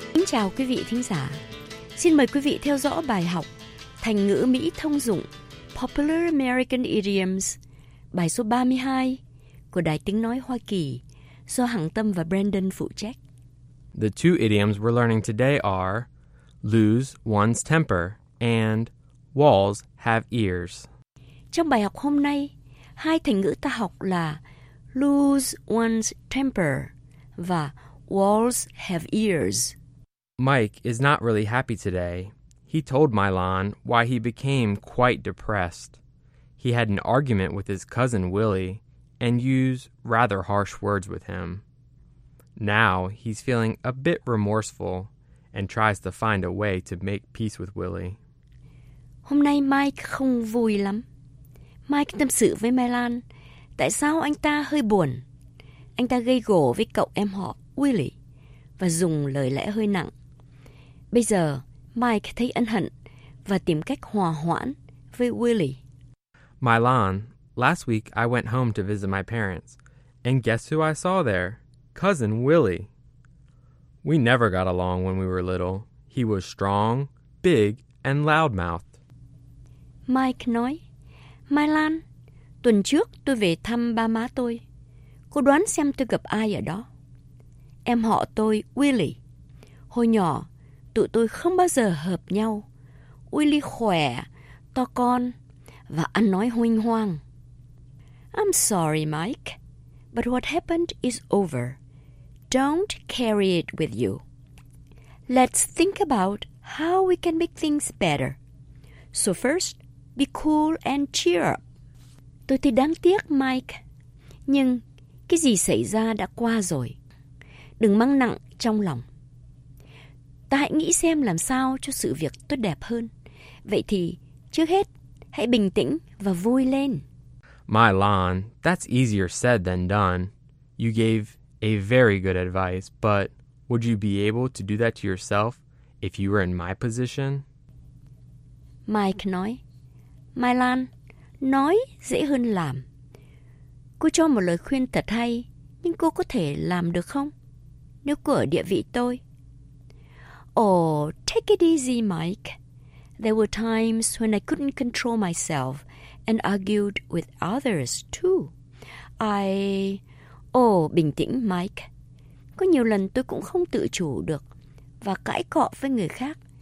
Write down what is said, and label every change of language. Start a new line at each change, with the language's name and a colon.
Vietnamese: Chào quý vị thính giả. Xin mời quý vị theo dõi bài học Thành ngữ Mỹ thông dụng Popular American Idioms, bài số 32 của Đài Tiếng Nói Hoa Kỳ do Hằng Tâm và Brandon phụ trách.
English: The two idioms we're learning today are lose one's temper and walls have ears.
Vietnamese: Trong bài học hôm nay, hai thành ngữ ta học là
English: lose one's temper
Vietnamese: và
English: walls have ears. Mike is not really happy today. He told Milan why he became quite depressed. He had an argument with his cousin Willie and used rather harsh words with him. Now he's feeling a bit remorseful and tries to find a way to make peace with Willie.
Vietnamese: Hôm nay Mike không vui lắm. Mike tâm sự với Milan tại sao anh ta hơi buồn. Anh ta gây gổ với cậu em họ Willie và dùng lời lẽ hơi nặng. Bây giờ, Mike thấy ân hận và tìm cách hòa hoãn với Willie.
English: Milan, last week I went home to visit my parents, and guess who I saw there? Cousin Willie. We never got along when we were little. He was strong, big, and loud-mouthed.
Vietnamese: Mike nói, Milan, tuần trước tôi về thăm ba má tôi. Cô đoán xem tôi gặp ai ở đó. Em họ tôi, Willie. Hồi nhỏ, tụi tôi không bao giờ hợp nhau. Willie khỏe, to con và ăn nói huênh hoang.
English: I'm sorry, Mike, but what happened is over. Don't carry it with you. Let's think about how we can make things better. So first, be cool and cheer up.
Vietnamese: Tôi thì đáng tiếc, Mike, nhưng cái gì xảy ra đã qua rồi. Đừng mang nặng trong lòng. Ta hãy nghĩ xem làm sao cho sự việc tốt đẹp hơn. Vậy thì, trước hết, hãy bình tĩnh và vui lên.
English: Milan, that's easier said than done. You gave a very good advice, but would you be able to do that to yourself if you were in my position?
Vietnamese: Mike nói, Milan, nói dễ hơn làm. Cô cho một lời khuyên thật hay, nhưng cô có thể làm được không? Nếu cô ở địa vị tôi.
English: Oh, take it easy, Mike. There were times when I couldn't control myself and argued with others, too.
Vietnamese: Oh, bình tĩnh, Mike. Có nhiều lần tôi cũng không tự chủ được và cãi cọ với người khác.